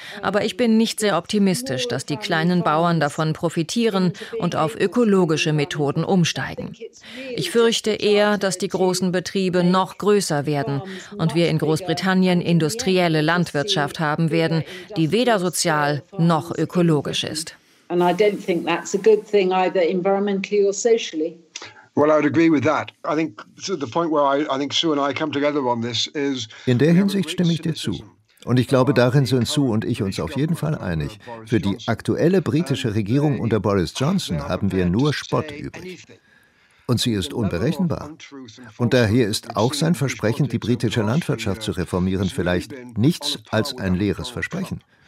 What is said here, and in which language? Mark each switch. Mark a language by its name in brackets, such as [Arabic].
[German] Aber ich bin nicht sehr optimistisch, dass die kleinen Bauern davon profitieren und auf ökologische Methoden umsteigen. Ich fürchte eher, dass die großen Betriebe noch größer werden und wir in Großbritannien industrielle Landwirtschaft haben werden, die weder sozial noch ökologisch ist. [English] And I don't think that's a good thing either environmentally or socially. Well, I would agree with that. I think the point where I think Sue and I come together on this is. [German] In der Hinsicht stimme ich dir zu. Und ich glaube, darin sind Sue und ich uns auf jeden Fall einig. Für die aktuelle britische Regierung unter Boris Johnson haben wir nur Spott übrig. Und sie ist unberechenbar. Und daher ist auch sein Versprechen, die britische Landwirtschaft zu reformieren, vielleicht nichts als ein leeres Versprechen.